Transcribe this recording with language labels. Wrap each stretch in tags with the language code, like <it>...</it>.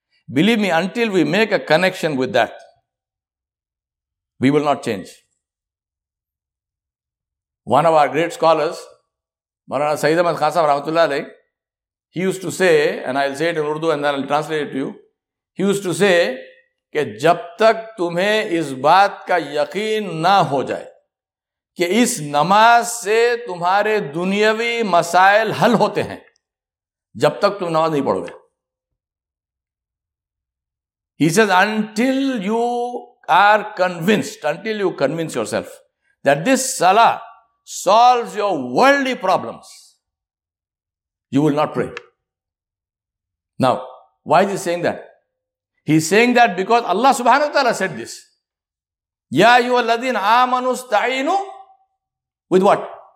<en>Believe me, until we make a connection with that, we will not change. One of our great scholars, Marana Saeed Ahmad Khan Sahab Rahmatullah Alayh, he used to say, and I'll say it in Urdu and then I'll translate it to you. He used to say,</en> <ur>ke jab tak tumhe is baat ka yaqeen na ho jaye, کہ اس نماز سے تمہارے دنیاوی مسائل حل ہوتے ہیں جب تک تم نماز نہیں پڑھو گے.</ur> <en>He says, until you are convinced, until you convince yourself that this salah solves your worldly problems, you will not pray. Now, why is he saying that? He is saying that because Allah subhanahu wa ta'ala said this,</en> <ar>يَا أَيُّهَا الَّذِينَ آمَنُوا اسْتَعِينُوا.</ar> <en>With what?</en>